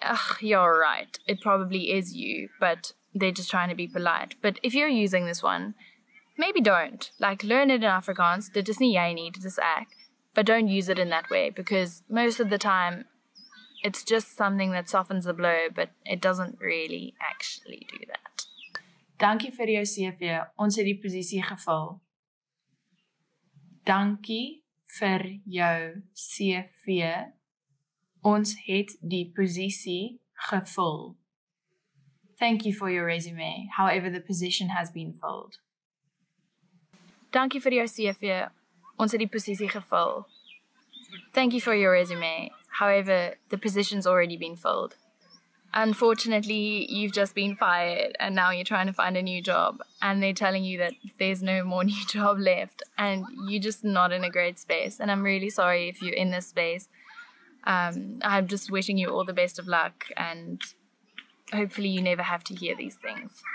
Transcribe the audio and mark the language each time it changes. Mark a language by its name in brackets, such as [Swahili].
[English] Ugh, you're right. It probably is you, but they're just trying to be polite. But if you're using this one, maybe don't. Like, learn it in Afrikaans, [Afrikaans] dit is nie jy nie, dit is ek. [English] But don't use it in that way, because most of the time, it's just something that softens the blow, but it doesn't really actually do that. [Afrikaans] Dankie vir jou CV, ons het die posisie gevul. Dankie vir jou CV, ons het die posisie gevul. [English] Thank you for your resume, however the position has been filled. [Afrikaans] Dankie vir jou CV, ons het die posisie gevul. [English] Thank you for your resume, however the position's already been filled. Unfortunately, you've just been fired and now you're trying to find a new job and they're telling you that there's no more new job left and you're just not in a great space. And I'm really sorry if you're in this space. I'm just wishing you all the best of luck and hopefully you never have to hear these things.